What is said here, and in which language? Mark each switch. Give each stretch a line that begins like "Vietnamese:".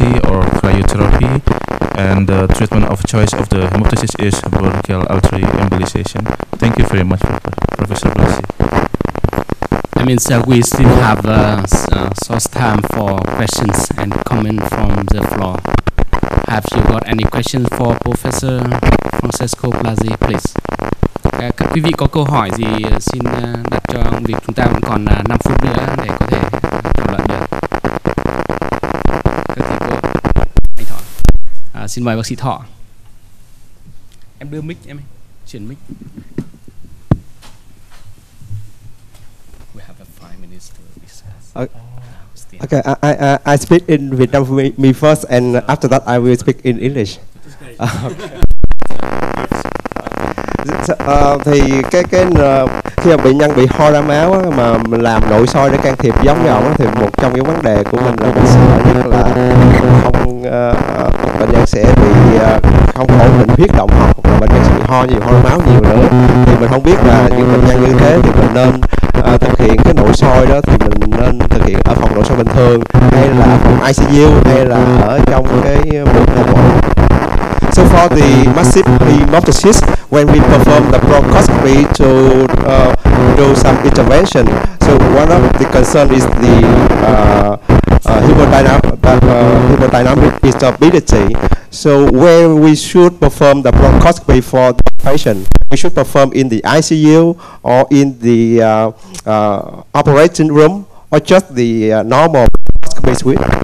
English: biopsy or cryotherapy, and the treatment of choice of the hemoptysis is bronchial artery embolization. Thank you very much, Professor Blasi. I mean, so we still have source time for questions and comments from the floor. Have you got any questions for Professor Francesco Blasi, please?
Vietnamese: Các quý vị có câu hỏi gì xin đặt cho ông, vì chúng ta vẫn còn 5 phút nữa để có thể thảo luận được. Các thầy cô, anh Thọ. Xin mời bác sĩ Thọ. Em đưa mic, em chuyển mic.
English: We have a 5 minutes to recess. Okay, I speak in Vietnamese first, and after that I will speak in English.
Vietnamese: Thì khi mà bệnh nhân bị ho ra máu á, mà làm nội soi để can thiệp giống nhọn á, thì một trong những vấn đề của mình là bệnh sợ nhất là không bệnh nhân sẽ bị không ổn định huyết động học, và bệnh nhân sẽ bị ho nhiều, ho ra máu nhiều nữa. Thì mình không biết là những bệnh nhân như thế thì mình nên thực hiện cái nội soi đó thì mình nên thực hiện ở phòng nội soi bình thường hay là phòng ICU hay là ở trong cái bệnh viện.
English: So for the massive hemoptysis, when we perform the bronchoscopy to do some intervention, so one of the concern is the hemodynamic instability. So where we should perform the bronchoscopy for the patient, we should perform in the ICU or in the operating room or just the normal bronchoscopy suite?